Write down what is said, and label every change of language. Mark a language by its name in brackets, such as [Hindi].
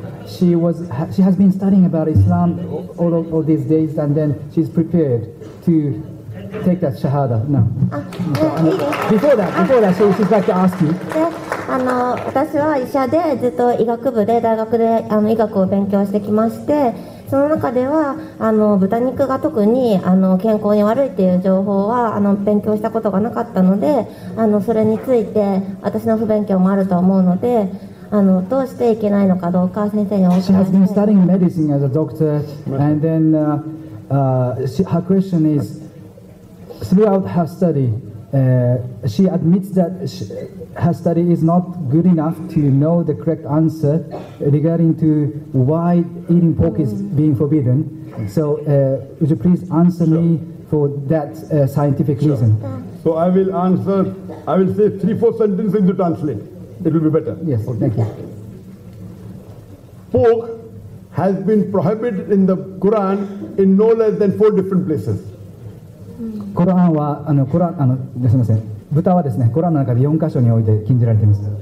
[English] she has been studying about Islam all these days, and then she's prepared to take that shahada now. Before that, so she'd like to ask you. [Japanese] 私は医者でずっと医学部で大学で医学を勉強してきまして、その中では豚肉が特に健康に悪いという情報は勉強したことがなかったので、それについて私の不勉強もあると思うので、どうしていけないのかどうか先生に教えて。 [English] She has been studying medicine as a doctor, and then her question is, throughout her study, she admits that her study is not good enough to know the correct answer regarding to why eating pork is being forbidden. So would you please answer me for that scientific reason? So I will answer, I will say 3-4 sentences to translate. It will be better. Yes, okay. Thank you. Pork has been prohibited in the Quran in no less than 4 different places. [Japanese] コランは、あの、コラン、あの、すみません。豚はですね、コランの中で4箇所において禁じられています。